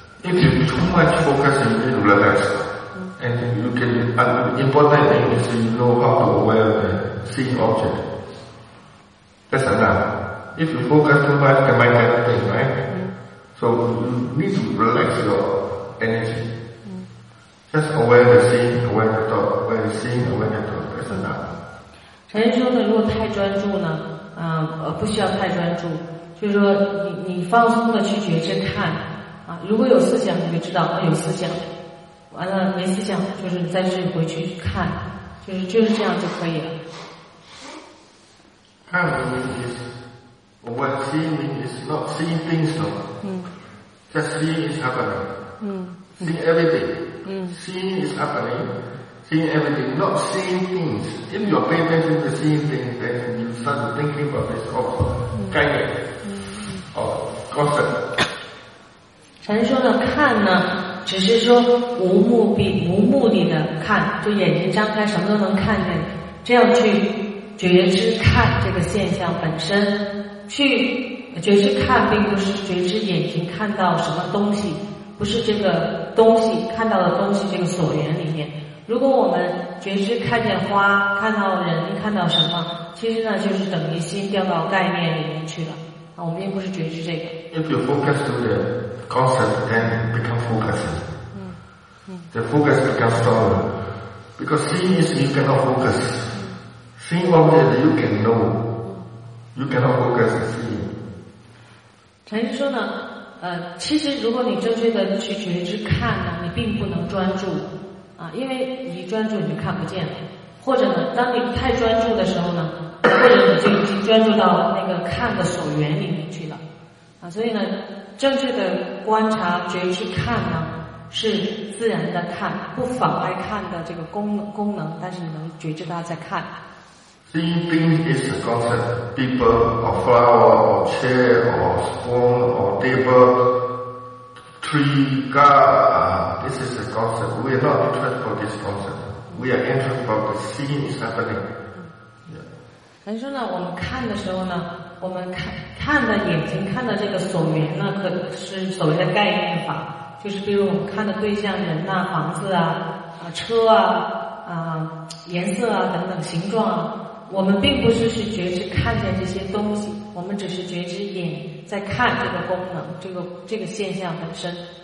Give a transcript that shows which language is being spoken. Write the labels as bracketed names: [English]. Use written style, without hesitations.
[English] too much focus and you relax, and you can, important thing is you know how to wear the seeing object. That's enough. If you focus too much, the mind cannot think, right? So you need to relax your energy. Just aware the seeing, aware the thought, aware the seeing, aware the thought, that's enough. [Chinese] 禅修呢，如果太专注呢，不需要太专注，就是说你放松的去觉知看，如果有思想你就知道有思想，完了没思想就是你再去回去看，就是这样就可以了。看的意思是 [English] aware seeing means not seeing things though. Just seeing is happening. Seeing everything. Seeing is happening, seeing everything, not seeing things. If you are paying attention to seeing things, then you start thinking about this also. Kind of, or constant. [Chinese] 禅说呢，看呢，只是说无目的的看，就眼睛张开，什么都能看见，这样去觉知看这个现象本身，去觉知看，并不是觉知眼睛看到什么东西。不是这个东西看到的东西这个所缘里面，如果我们觉知看见花，看到人，看到什么，其实呢就是等于心掉到概念里面去了，我们并不是觉知这个。 [English] If you focus to the concept, then become focused. The focus becomes stronger. Because seeing is you cannot focus. Seeing one day that you can know. You cannot focus on seeing. [Chinese] 禅师说呢，其实如果你正确的去觉知看呢，你并不能专注啊，因为你专注你就看不见了，或者呢当你太专注的时候呢，或者你就已经专注到那个看的所缘里面去了啊，所以呢正确的观察觉知看呢是自然的看，不妨碍看的这个功能，但是你能觉知到在看。 [English] Seeing things is a concept. People, or flower, or chair, or spoon, or table, tree, car, this is a concept. We are not interested for this concept. We are interested for the seeing is happening. [Chinese] 禅师说呢，我们看的时候呢，我们看的眼睛看的这个所缘呢，可是所谓的概念法，就是比如我们看的对象人呐、房子啊、车啊、颜色啊等等形状啊。我们并不是去觉知看见这些东西，我们只是觉知眼在看这个功能，这个现象本身。